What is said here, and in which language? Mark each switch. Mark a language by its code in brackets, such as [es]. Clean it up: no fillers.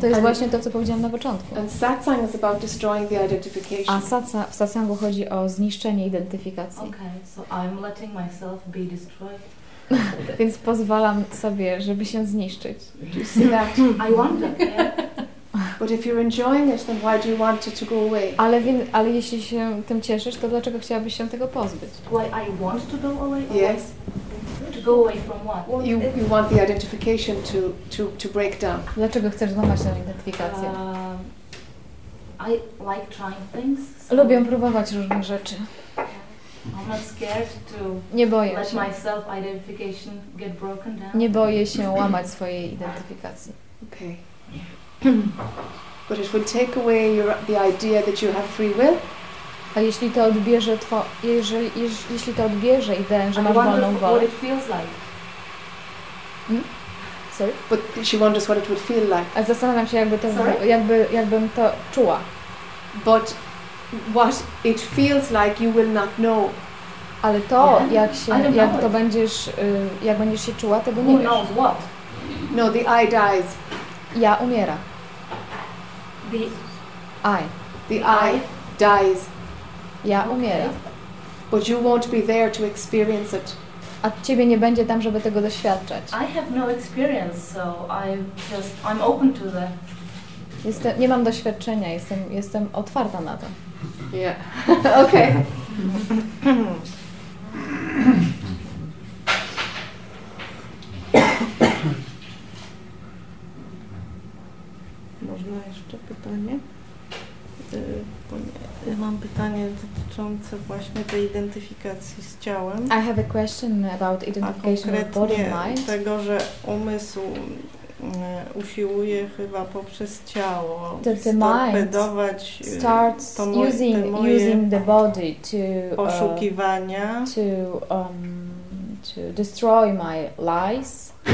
[pl] To jest właśnie to, co powiedziałam na początku. [en] And satsang is about destroying the identification. [pl] A w satsangu chodzi o zniszczenie identyfikacji. [en] Okay, so I'm letting myself be destroyed. [pl] Więc pozwalam sobie, żeby się zniszczyć. [en] I wonder. But if you're enjoying it, then why do you want it to go away? [pl] Ale jeśli się tym cieszysz, to dlaczego chciałabyś się tego pozbyć? [en] Why I want to go away? Yes. To go away from what? You want the identification to break down. [pl] Dlaczego chcesz złamać tę identyfikację? [en] I like trying things. So [pl] lubię próbować różne rzeczy. [en] I'm not scared to [pl] nie boję [en] let my self-identification get broken down. [pl] Nie boję się łamać swojej identyfikacji. [en] Okay. But it would take away the idea that you have free will. [pl] A jeśli to odbierze jeśli to odbierze ideę, że masz wolną wolę. [en] What it feels like. Sorry. But she wonders what it would feel like. [pl] A zastanawiam się, jakbym to czuła. [en] But what it feels like, you will not know. [pl] Ale to, jak będziesz się czuła, tego nie wiesz. [en] Who knows what? No, the I dies. [pl] Ja umiera. [en] The I dies. [pl] Ja umiera. [en] But you won't be there to experience it. [pl] A ciebie nie będzie tam, żeby tego doświadczać. [en] I have no experience, so I'm open to the. [pl] Jestem, nie mam doświadczenia, jestem otwarta na to. [en] Yeah. Okay. [pl] Można jeszcze pytanie? Mam pytanie dotyczące właśnie tej identyfikacji z ciałem. [en] I have a question about identification with body and mind. [pl] Tego, że umysł usiłuje chyba poprzez ciało torpedować [en] using the body to destroy my lies.